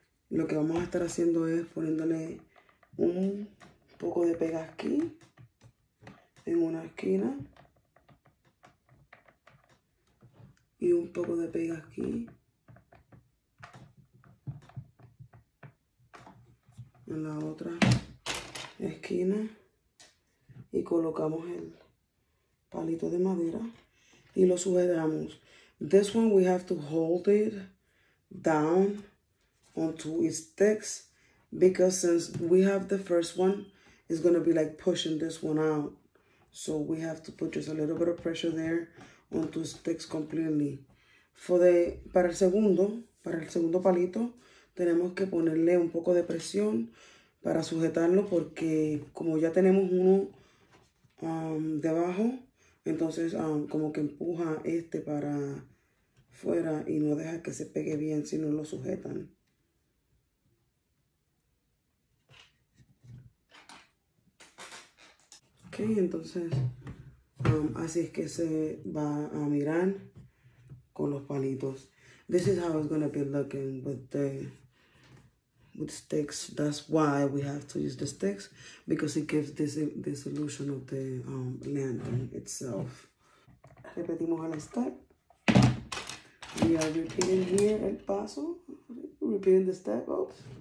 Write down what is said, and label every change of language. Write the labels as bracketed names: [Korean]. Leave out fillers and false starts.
[Spanish] Lo que vamos a estar haciendo es poniéndole un poco de pega aquí en una esquina y un poco de pega aquí en la otra esquina y colocamos el palito de madera y lo sujetamos. [English] This one we have to hold it down onto its sticks because since we have the first one, it's gonna be like pushing this one out. So we have to put just a little bit of pressure there onto sticks completely. [Spanish] Para el segundo palito, tenemos que ponerle un poco de presión para sujetarlo porque como ya tenemos uno debajo, entonces como que empuja este para fuera y no deja que se pegue bien si no lo sujetan. Okay, entonces así es que se va a mirar con los palitos. [English] This is how it's gonna be looking with sticks. That's why we have to use the sticks because it gives this illusion of the lantern itself. [Spanish] Repetimos el [English] step. We are repeating here [Spanish] el paso. [English] Repeating the step. Oops.